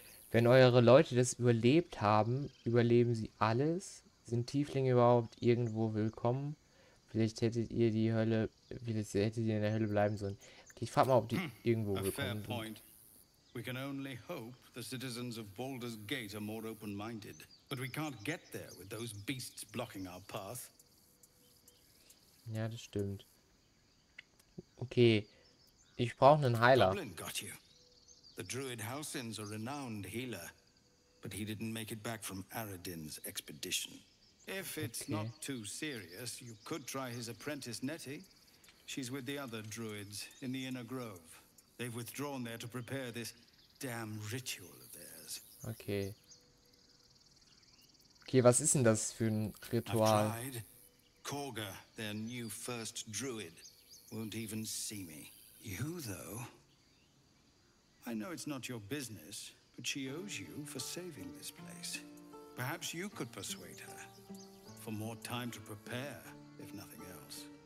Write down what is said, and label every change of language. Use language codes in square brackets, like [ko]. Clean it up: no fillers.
[de] Wenn eure Leute das überlebt haben, überleben sie alles? Sind Tieflinge überhaupt irgendwo willkommen? Vielleicht hättet ihr in der Hölle bleiben sollen. Ich frage mal, ob die irgendwo gekommen sind. [en] We can only hope the citizens of Baldur's Gate are more open-minded. But we can't get there with those beasts blocking our path. [de] Ja, das stimmt. Okay. Ich brauche einen Heiler. [en] Dublin got you. The Druid Halcyn's a renowned healer, but he didn't make it back from Aradin's expedition. If it's okay. Not too serious, you could try his apprentice Nettie. She's with the other druids in the inner grove. They've withdrawn there to prepare this damn ritual of theirs. Okay. [de] Okay, was ist denn das für ein Ritual? [en] I've tried. Korga, their new first druid, won't even see me. You, though. I know it's not your business, but she owes you for saving this place. Perhaps you could persuade her for more time to prepare, if nothing else.